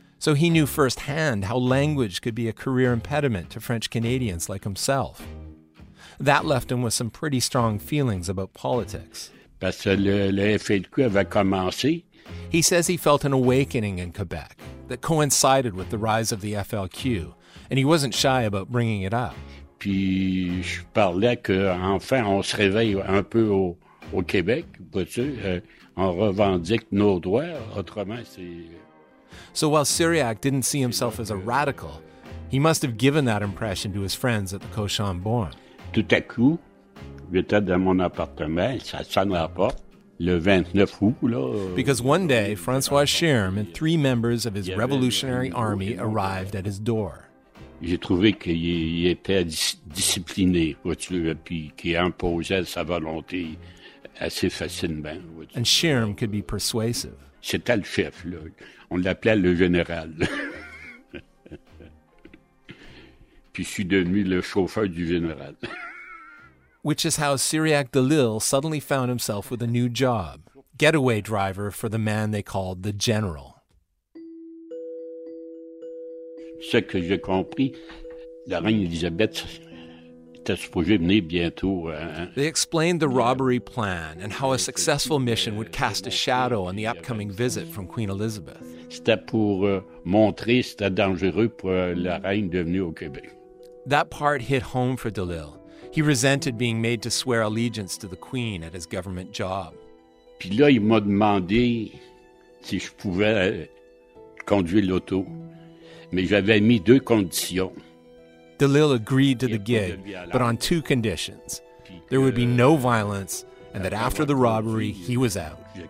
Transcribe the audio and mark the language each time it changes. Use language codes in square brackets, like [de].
[en] So he knew firsthand how language could be a career impediment to French Canadians like himself. That left him with some pretty strong feelings about politics. [fr] Parce que le FLQ avait commencé. [en] He says he felt an awakening in Quebec that coincided with the rise of the FLQ, and he wasn't shy about bringing it up. [fr] Puis je parlais que enfin on se réveille un peu au Québec, parce que on revendique nos droits, autrement c'est... [en] So while Cyriac didn't see himself as a radical, he must have given that impression to his friends at the Cochon Borne. [fr] Tout à coup, j'étais dans mon appartement, ça sonne à la porte. Le 29 août, là, [en] because one day, François Schirm and three members of his revolutionary army arrived at his door. [fr] J'ai trouvé qu'il était discipliné, puis qu'il imposait sa volonté assez facilement. [en] And Schirm could be persuasive. [fr] C'était le chef, là. On l'appelait le général. Puis je suis devenu le chauffeur du général. [en] Which is how Cyriac DeLille suddenly found himself with a new job, getaway driver for the man they called the General. [fr] Ce que j'ai compris, la reine Elisabeth était supposée venir bientôt. Hein? [en] They explained the robbery plan and how a successful mission would cast a shadow on the upcoming visit from Queen Elizabeth. [fr] C'était pour montrer c'était dangereux pour la reine de venir au Québec. [en] That part hit home for DeLille. He resented being made to swear allegiance to the Queen at his government job. [fr] Puis là, il m'a demandé si je pouvais conduire l'auto. Mais j'avais mis deux conditions. [en] DeLille agreed to the gig, but on two conditions. There would be no violence, and that after the robbery, he was out.